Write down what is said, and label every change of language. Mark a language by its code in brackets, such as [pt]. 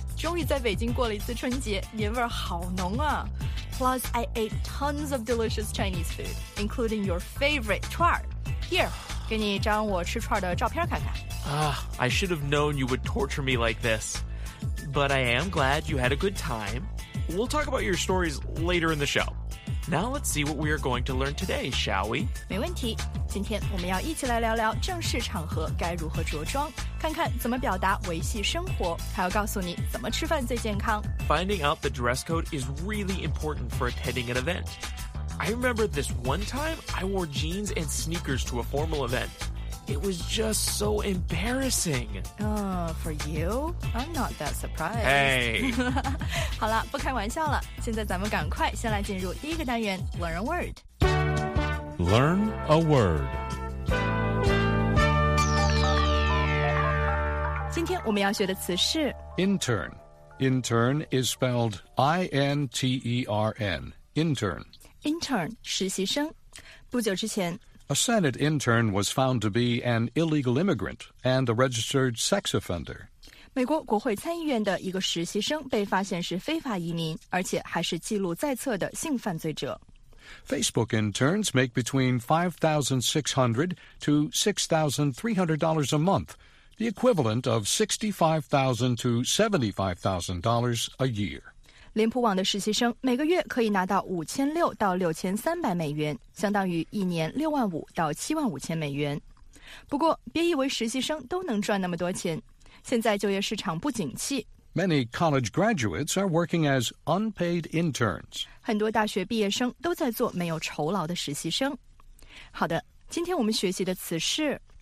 [zh] 终于在北京过了一次春节，年味好浓啊 ！ [en] Plus, I ate tons of delicious Chinese food, including your favorite [zh] 串儿。 [en] Here, [zh] 给你一张我吃串儿的照片看看。 [en] I should have known you would torture me like this, but I am glad you had a good time. We'll talk about your stories later in the show. Now let's see what we are going to learn today, shall we? [zh] 没问题。今天我们要一起来聊聊正式场合该如何着装，看看怎么表达维系生活，还要告诉你怎么吃饭最健康。 [en] Finding out the dress code is really important for attending an event. I remember this one time I wore jeans and sneakers to a formal event. It was just so embarrassing. For you? I'm not that surprised. Hey! [zh] 好了，不开玩笑了。现在咱们赶快先来进入第一个单元 ,Learn a Word. [en] Learn a Word. [zh] 今天我们要学的词是 [en] Intern. Intern is spelled I-N-T-E-R-N. Intern. [zh] Intern, 实习生。不久之前 [en] A Senate intern was found to be an illegal immigrant and a registered sex offender. [zh] 美国国会参议院的一个实习生被发现是非法移民，而且还是记录在册的性犯罪者。 [en] Facebook interns make between $5,600 to $6,300 a month, the equivalent of $65,000 to $75,000 a year. [zh] 脸谱网的实习生每个月可以拿到5600到6300美元，相当于一年65000到75000美元。不过，别以为实习生都能赚那么多钱。现在就业市场不景气。 [en] Many college graduates are working as unpaid interns. [zh] 很多大学毕业生都在做没有酬劳的实习生。好的，今天我们学习的词是